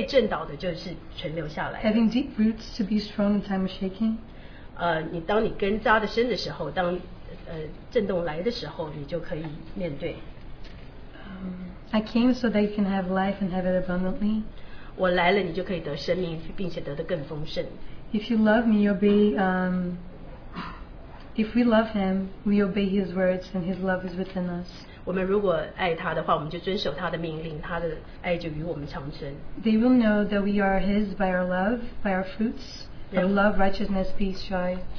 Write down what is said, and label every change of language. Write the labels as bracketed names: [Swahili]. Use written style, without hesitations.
[Chinese] 震动那些可以被震动的,而那些不能被震倒的,就是全留下来。 [English] Having deep roots to be strong in time of shaking. [Chinese] 你当你根扎得深的时候,当震动来的时候,你就可以面对。 [English] I came so that you can have life and have it abundantly. [Chinese] 我来了,你就可以得生命,并且得得更丰盛。 [English] If you love me, you'll be... If we love him, we obey his words and his love is within us. [Chinese] 我们如果爱他的话,我们就遵守他的命令,他的爱就与我们长存。 [English] They will know that we are his by our love, by our fruits, from love, righteousness, peace, joy.